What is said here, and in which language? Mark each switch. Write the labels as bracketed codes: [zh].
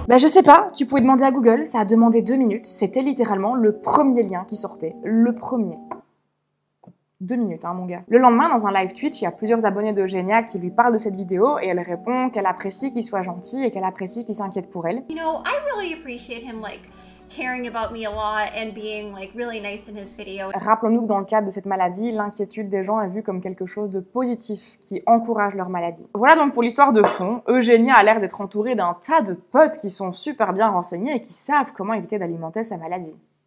[fr] Ben je sais pas, tu pouvais demander à Google, ça a demandé 2 minutes. C'était littéralement le premier lien qui sortait. Le premier. 2 minutes, hein, mon gars. Le lendemain, dans un live Twitch, il y a plusieurs abonnés d'Eugenia qui lui parlent de cette vidéo et elle répond qu'elle apprécie qu'il soit gentil et qu'elle apprécie qu'il s'inquiète pour elle. [en] You know, I really appreciate him, like, caring about me a lot and being, like, really nice in his video. [fr] Rappelons-nous que dans le cadre de cette maladie, l'inquiétude des gens est vue comme quelque chose de positif qui encourage leur maladie. Voilà donc pour l'histoire de fond. Eugenia a l'air d'être entourée d'un tas de potes qui sont super bien renseignés et qui savent comment éviter d'alimenter sa maladie.